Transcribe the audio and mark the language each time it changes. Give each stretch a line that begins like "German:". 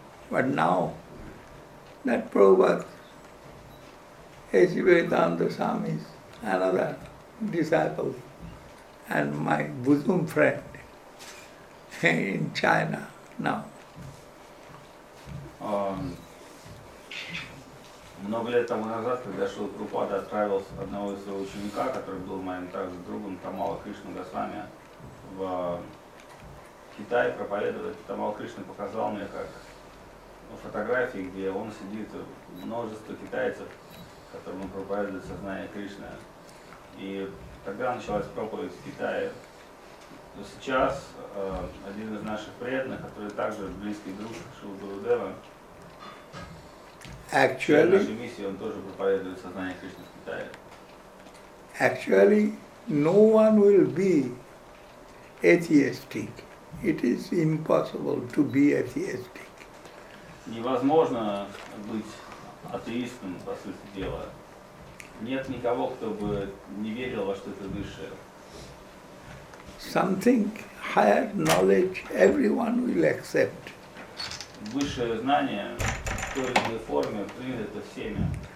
English: But now that Prabhupada, H. Vedanta Swami, another disciple and my bosom friend, in China now.
Russian: Много лет тому назад, когда Шрила Прабхупада отправил одного из своего ученика, который был моим также другом, Тамала Кришна Госвами, в Китай проповедовать, Тамала Кришна показал мне, как фотографии, где он сидит, множество китайцев, которым проповедует сознание Кришны. И тогда началась проповедь в Китае. Но сейчас один из наших преданных, который также близкий друг Шрилы Гурудева,
English: actually,
Russian: в нашей миссии он тоже проповедует сознание Кришны в Китае.
English: Actually, no one will be atheistic. It is impossible to be atheistic.
Russian: Невозможно быть атеистом, по сути дела. Нет никого, кто бы не верил во что-то высшее.
English: Something higher knowledge everyone will accept.
Russian: Высшее знание в той или иной форме принято всеми.